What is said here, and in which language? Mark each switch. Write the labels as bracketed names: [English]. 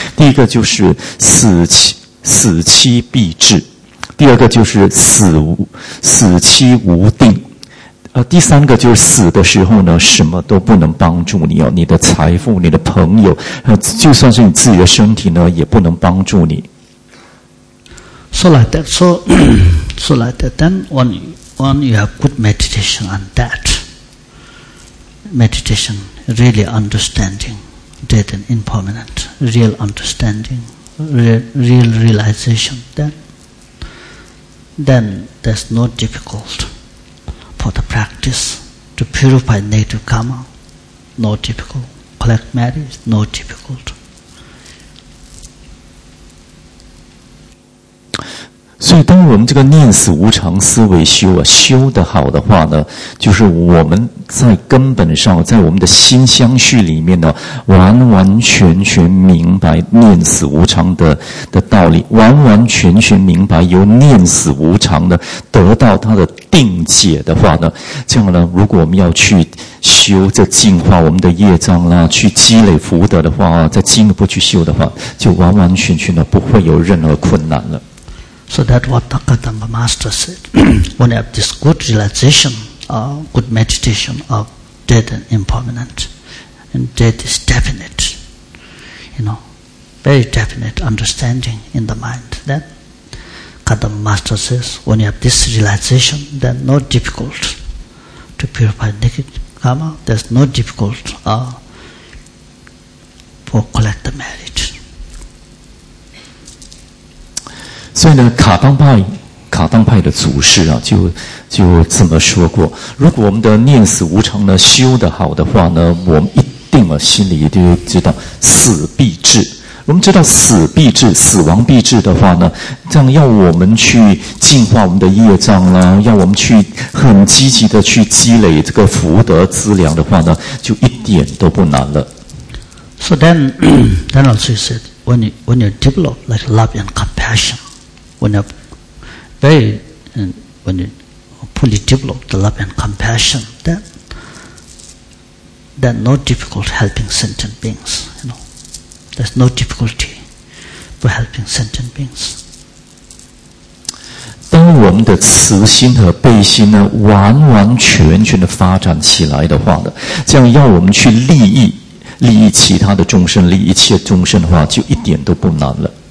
[Chinese] 第一个就是死期必至，第二个就是死期无定，第三个就是死的时候呢，什么都不能帮助你哦，你的财富、你的朋友，就算是你自己的身体呢，也不能帮助你。 [English] So like that, so like that. Then when you have good meditation on that, meditation really understanding. Dead and impermanent, real understanding, real realization, then there's no difficulty for the practice to purify native karma, no difficulty, collect merit, no difficulty. [Chinese] 所以当我们这个念死无常思维修啊，修得好的话呢，就是我们在根本上，在我们的心相续里面呢，完完全全明白念死无常的道理，完完全全明白由念死无常呢得到它的定解的话呢，这样呢，如果我们要去修这净化我们的业障啦，去积累福德的话，再进一步去修的话，就完完全全的不会有任何困难了。 [English] So that's what Thakadamba Master said. When you have this good realization good meditation of dead and impermanent. And dead is definite, you know, very definite understanding in the mind. Then, Kata Master says, when you have this realization, then no difficult to purify naked karma, there's no difficult for collect the merit. So, the [Chinese] 卡当派的祖师啊，就这么说过：如果我们的念死无常呢修得好的话呢，我们一定啊心里就知道死必至。我们知道死必至，死亡必至的话呢，这样要我们去净化我们的业障啦，要我们去很积极的去积累这个福德资粮的话呢，就一点都不难了。 [English] So then also you said when you develop like love and compassion, when you fully develop the love and compassion, then no difficulty helping sentient beings. You know, there's no difficulty for helping sentient beings. [Chinese] 当我们的慈心和悲心呢，完完全全的发展起来的话呢，这样要我们去利益其他的众生，利益一切众生的话，就一点都不难了。